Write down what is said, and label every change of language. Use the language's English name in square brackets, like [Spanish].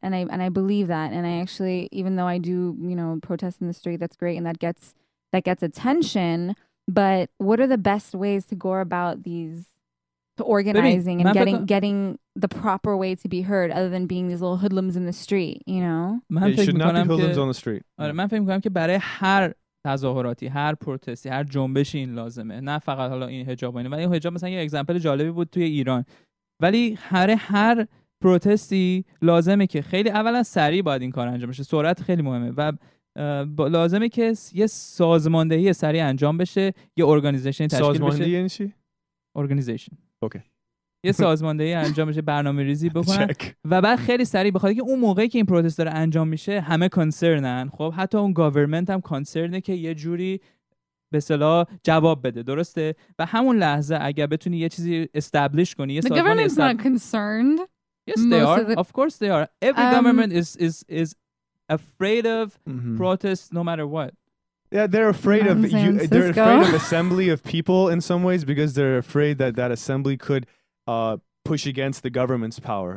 [English] And I believe that. And I actually, even though I do, you know, protest in the street, that's great. And that gets attention. But what are the best ways to go about these, to organizing and getting the proper way to be heard, other than being these little hoodlums in the street, you know? You should not be hoodlums on the street. [Persian] من فکر میکنم که برای هر تظاهراتی، هر پروتستی، هر جنبشی این لازمه، نه فقط حالا این حجاب اینه. ولی این حجاب مثلا یه اگزمپل جالبی بود توی ایران، ولی هر پروتستی لازمه که خیلی اولا سریع باید این کار انجام بشه، سرعت خیلی مهمه و لازمه که یه سازماندهی سریع انجام بشه، یه ارگانیزیشن تشکیل بشه. سازماندهی یعنی چی؟ ارگانیزیشن. اوکی. یه سازماندهی انجام میشه، برنامه ریزی بکنن و بعد خیلی سریع بخواد که اون موقعی که این پروتست داره انجام میشه همه کانسرنن. خب حتی اون گاورمنت هم کانسرنه که یه جوری به اصطلاح جواب بده، درسته؟ و همون لحظه اگر بتونی یه چیزی استابلیش کنی، یه سازماندهی [English] is not concerned. Yes, they are. Of course they are. Every government is afraid of protest no matter what. Yeah, they're afraid of you. They're afraid of assembly of people in some ways because they're afraid that that assembly could push against the government's power.